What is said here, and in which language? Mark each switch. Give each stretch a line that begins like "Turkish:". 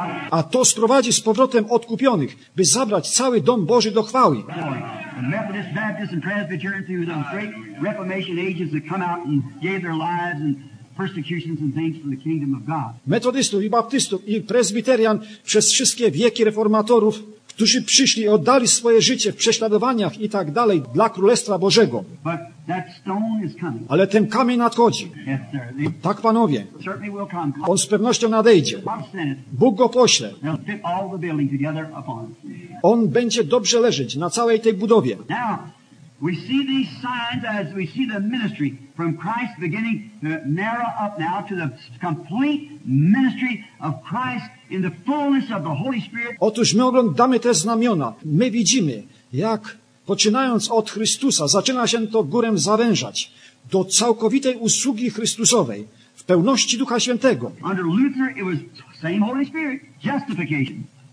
Polish: A to sprowadzi z powrotem odkupionych, by zabrać cały dom Boży do chwały.
English: Methodist, Baptist and Presbyterian through those great Reformation ages that come out and gave their lives and persecutions and things for the kingdom of God.
Polish: Metodystów i baptystów i prezbiterian przez wszystkie wieki reformatorów, którzy przyszli i oddali swoje życie w prześladowaniach i tak dalej dla Królestwa Bożego.
English: But that stone is coming.
Polish: Ale ten kamień nadchodzi.
English: Yes, sir.
Polish: Tak, panowie.
English: Certainly will come.
Polish: On z pewnością nadejdzie. Bóg go pośle.
English: They'll fit all the building together upon.
Polish: On będzie dobrze leżeć na całej tej budowie.
English: Now, we see these signs as we see the ministry from Christ beginning to narrow up now to the complete ministry of Christ in the fullness of the Holy Spirit.
Polish: Otóż my oglądamy te znamiona. My widzimy, jak poczynając od Chrystusa, zaczyna się to górę zawężać do całkowitej usługi Chrystusowej w pełności Ducha Świętego.
English: Under Luther it was same Holy Spirit, justification.